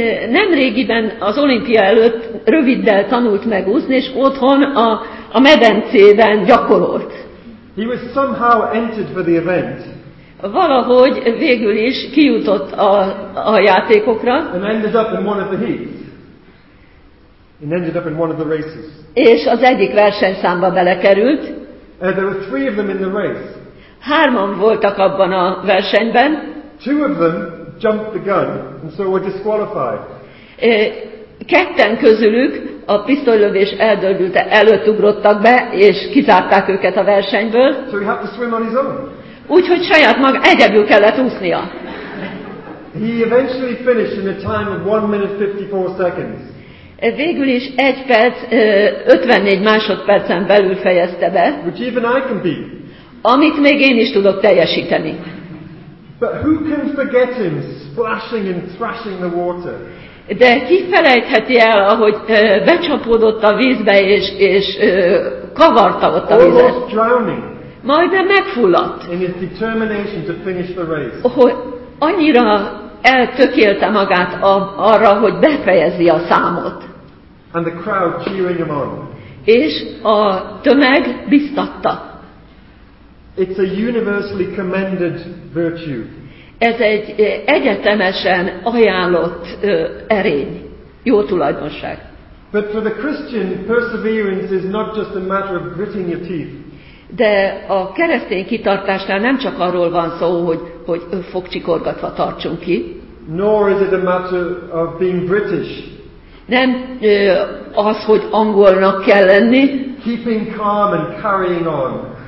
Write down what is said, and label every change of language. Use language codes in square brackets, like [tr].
[hu] Nem régiben az olimpia előtt röviddel tanult meg úszni, és otthon a medencében gyakorolt. [en] He was somehow entered for the event. [hu] Valahogy végül is kijutott a játékokra. [en] And ended up in one of the heats. And ended up in one of the races. [hu] És az egyik versenyszámba belekerült. [en] There were three of them in the race. [hu] Hárman voltak abban a versenyben. [en] Two of them jumped the gun and so were disqualified. [hu] Ketten közülük a pisztolylövés eldördülte, előtt ugrottak be, és kizárták őket a versenyből. [en] So he had to swim on his own. [hu] Úgyhogy saját maga egyedül kellett úsznia. [en] He eventually finished in a time of 1 minute 54 seconds. [hu] Végül is 1 perc 54 másodpercen belül fejezte be. [en] Which even I can beat. [hu] Amit még én is tudok teljesíteni. [en] But who can forget him splashing and thrashing the water? [hu] De ki felejtheti el, ahogy becsapódott a vízbe és kavarta ott a vizet. [en] Almost drowning. [hu] Majdnem megfulladt. [en] In his determination to finish the race. [hu] Hogy annyira eltökélte magát arra, hogy befejezi a számot. [en] And the crowd cheering him on. [hu] És a tömeg biztatta. [en] It's a universally commended virtue. [hu] Ez egy egyetemesen ajánlott erény, jó tulajdonság. [en] But for the Christian, perseverance is not just a matter of gritting your teeth. [hu] De a keresztény kitartásnál nem csak arról van szó, hogy fogcsikorgatva tartsunk ki. [en] Nor is it a matter of being British. [hu] Nem az, hogy angolnak kell lenni. [en] Keeping calm and carrying on.